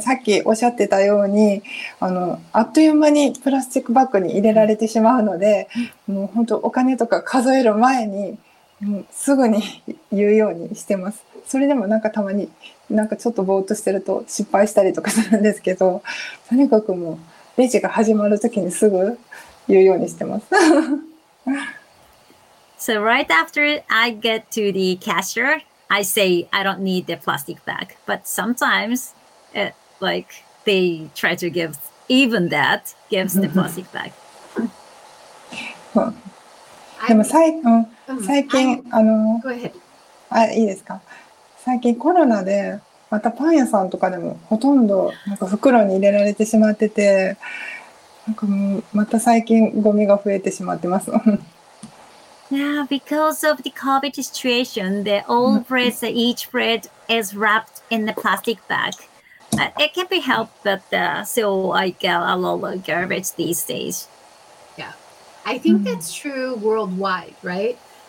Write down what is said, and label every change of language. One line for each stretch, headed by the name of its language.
Japanese: さっきおっしゃってたように、あっという間にプラスチックバッグに入れられてしまうので、もう本当お金とか数える前に、もうすぐに言うようにしてます。それでもなんかたまに、なんかちょっとぼーっとしてると失敗したりとかするんですけど、とにかくもうレジが始まるときにすぐ言うようにしてます。
English: So right after I get to the cashier, I say I don't need the plastic bag. But sometimes... like they try to give even that gives the plastic bag.
Japanese: でも最近いいですか？最近コロナでまたパン屋さんとかでもほとんどなんか袋に入れられてしまってて、なんかもうまた最近ゴミが増えてしまってます。
English: Yeah, because of the COVID situation, the all bread, each bread is wrapped in the plastic bag. It can't be helped, but so I get a lot of garbage these days. Yeah, I think that's true worldwide, right?